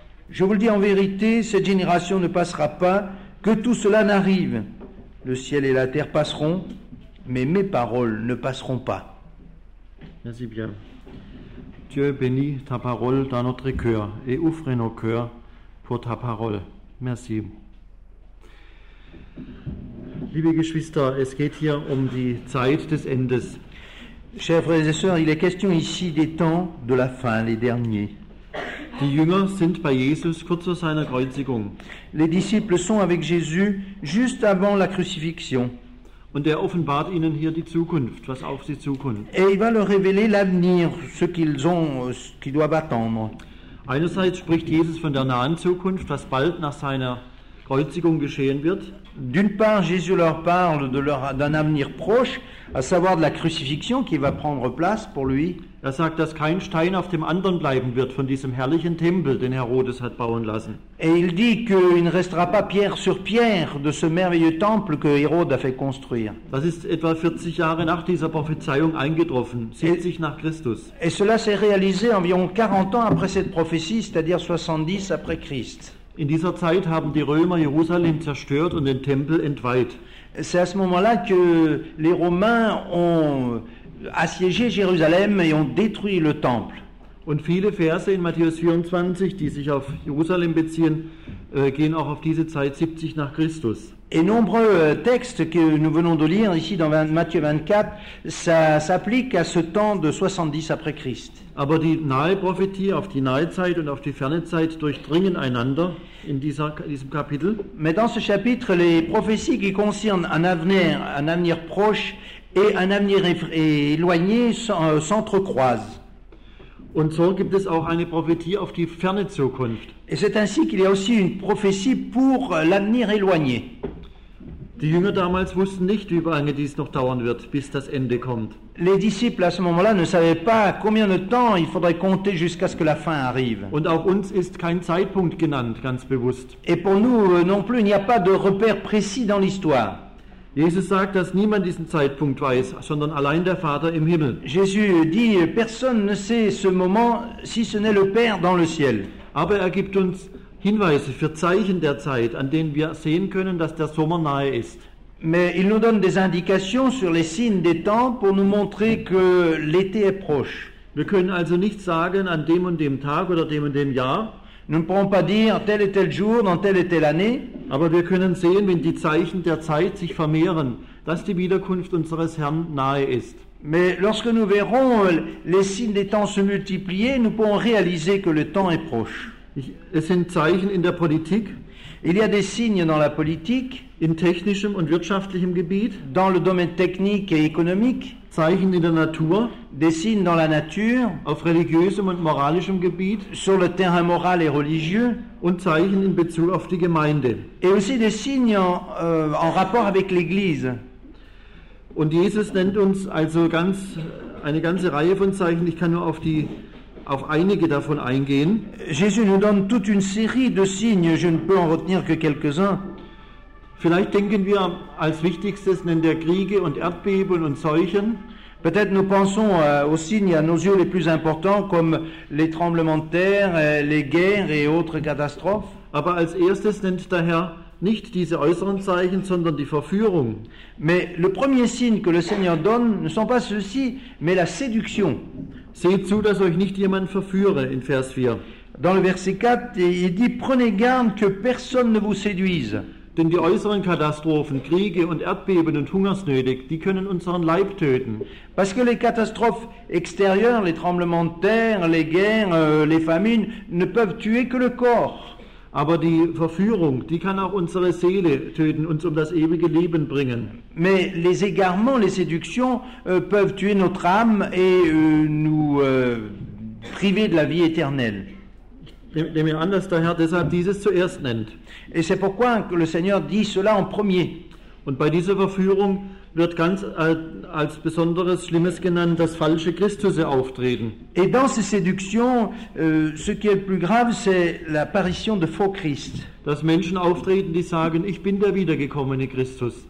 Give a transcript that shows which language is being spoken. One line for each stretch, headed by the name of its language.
French: Je vous le dis en vérité, cette génération ne passera pas, que tout cela n'arrive. Le ciel et la terre passeront, mais mes paroles ne passeront pas. Merci bien. Dieu bénit ta parole dans notre cœur et ouvre nos cœurs pour ta parole. Merci.
German: Liebe Geschwister, es geht hier die Zeit des Endes.
French: Chers frères et sœurs, il est question ici des temps de la fin, les derniers.
German: Die Jünger sind bei Jesus kurz vor seiner Kreuzigung.
French: Les disciples sont avec Jésus juste avant la crucifixion.
German: Und offenbart ihnen hier die Zukunft, was auf sie zukommt.
French: Et il va leur révéler l'avenir, ce qu'ils ont, ce qu'ils doivent attendre.
German: Einerseits spricht Jesus von der nahen Zukunft, was bald nach seiner Kreuzigung geschehen wird.
French: D'une part, Jésus leur parle de leur, d'un avenir proche, à savoir de la crucifixion qui va prendre place pour lui.
German: Er sagt, dass kein Stein auf dem anderen bleiben wird von diesem herrlichen Tempel, den Herodes hat bauen lassen.
French: Et il dit qu'il ne restera pas pierre sur pierre de ce merveilleux temple que Hérode a fait construire.
German: Das ist etwa 40 Jahre nach dieser Prophezeiung eingetroffen, 70 nach Christus.
French: Et cela s'est réalisé environ 40 ans après cette prophétie, c'est-à-dire 70 après Christ.
German: In dieser Zeit haben die Römer Jerusalem zerstört und den Tempel entweiht.
French: C'est à ce moment-là que les Romains ont assiégé Jérusalem et ont détruit le temple.
German: Und viele Verse in Matthäus 24, die sich auf Jerusalem beziehen, gehen auch auf diese Zeit 70 nach Christus.
French: Et nombreux textes que nous venons de lire ici dans Matthieu 24, ça s'applique à ce temps de 70 après Christ.
German: Aber die nahe Prophetie auf die nahe Zeit und auf die ferne Zeit durchdringen einander in dieser, diesem Kapitel.
French: Mais dans ce chapitre, les prophéties qui concernent un avenir proche et un avenir éloigné s'entrecroisent.
German: Und so gibt es auch eine Prophetie auf die ferne Zukunft.
French: Et c'est ainsi qu'il y a aussi une prophétie pour l'avenir éloigné.
German: Die Jünger damals wussten nicht, wie lange dies noch dauern wird, bis das Ende kommt.
French: Les disciples à ce moment-là ne savaient pas combien de temps il faudrait compter jusqu'à ce que la fin arrive.
German: Und auch uns ist kein Zeitpunkt genannt, ganz bewusst.
French: Et pour nous non plus, il n'y a pas de repère précis dans l'histoire.
German: Jesus sagt, dass niemand diesen Zeitpunkt weiß, sondern allein der Vater im Himmel.
French: Jésus dit, personne ne sait ce moment, si ce n'est le Père dans le ciel.
German: Aber er gibt uns Hinweise für Zeichen der Zeit, an denen wir sehen können, dass der Sommer nahe ist.
French: Mais il nous donne des indications sur les signes des temps pour nous montrer que l'été est proche.
German: Wir können also nicht sagen, an dem und dem Tag oder dem und dem Jahr.
French: Nous ne pourrons pas dire tel et tel jour dans telle et telle année.
German: Aber wir können sehen, wenn die Zeichen der Zeit sich vermehren, dass die Wiederkunft unseres Herrn nahe ist.
French: Mais lorsque nous verrons les signes des temps se multiplier, nous pourrons réaliser que le temps est proche.
German: Es sind Zeichen in der Politik.
French: Il y a des signes dans la politique.
German: In technischem und wirtschaftlichem Gebiet.
French: Dans le domaine technique et économique.
German: Zeichen in der Natur.
French: Des signes dans la nature.
German: Auf religiösem und moralischem Gebiet.
French: Sur le terrain moral et religieux.
German: Und Zeichen in Bezug auf die Gemeinde.
French: Et aussi des signes en rapport avec l'Église.
German: Und Jesus nennt uns also ganz eine ganze Reihe von Zeichen. Ich kann nur auf die auf einige davon eingehen.
French: Jésus nous donne toute une série de signes, je ne peux en retenir que quelques-uns.
German: Vielleicht denken wir als wichtigstes nennt er Kriege und Erdbeben und Seuchen.
French: Peut-être nous pensons aux signes à nos yeux les plus importants comme les tremblements de terre, les guerres et autres catastrophes.
German: Aber als erstes nennt der Herr nicht diese äußeren Zeichen, sondern die Verführung.
French: Mais le premier signe que le Seigneur donne ne sont pas ceux-ci, mais la séduction.
German: Seht zu, dass euch nicht jemand verführe, in Vers 4.
French: Dans le verset 4, il dit, prenez garde que personne ne vous séduise.
German: Denn die äußeren Katastrophen, Kriege und Erdbeben und Hungersnöte, die können unseren Leib töten.
French: Parce que les catastrophes extérieures, les tremblements de terre, les guerres, les famines, ne peuvent tuer que le corps.
German: Aber die Verführung, die kann auch unsere Seele töten, uns um das ewige Leben bringen.
French: Mais les égarements, les séductions peuvent tuer notre âme et nous priver de la vie éternelle.
German: Nehmen wir an, dass der Herr deshalb dieses zuerst nennt.
French: Et c'est pourquoi que le Seigneur dit cela en premier.
German: Und bei dieser Verführung wird ganz als besonderes Schlimmes genannt, dass falsche Christusse auftreten.
French: Et dans ces séductions, ce qui est le plus grave, c'est l'apparition de faux Christ.
German: Dass Menschen auftreten, die sagen, ich bin der wiedergekommene Christus.